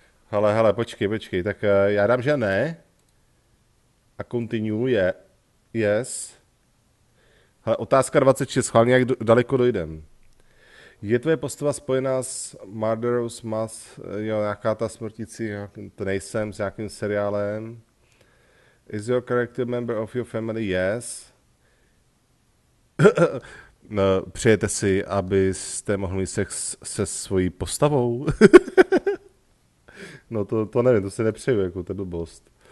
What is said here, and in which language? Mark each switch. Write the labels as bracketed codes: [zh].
[cs] Hele, hele, počkej, počkej. Tak já dám, že ne. A continue, yes. Hele, otázka 26, schválně, jak daleko dojdem. Je tvoje postava spojená s Murderous Mass, jo, nějaká ta smrtící, to nejsem, s nějakým seriálem. [en] Is your character member of your family? Yes. [cs] No, přejete si, abyste mohli mít sex se svojí postavou? No to nevím, to si nepřeju, jako to blbost.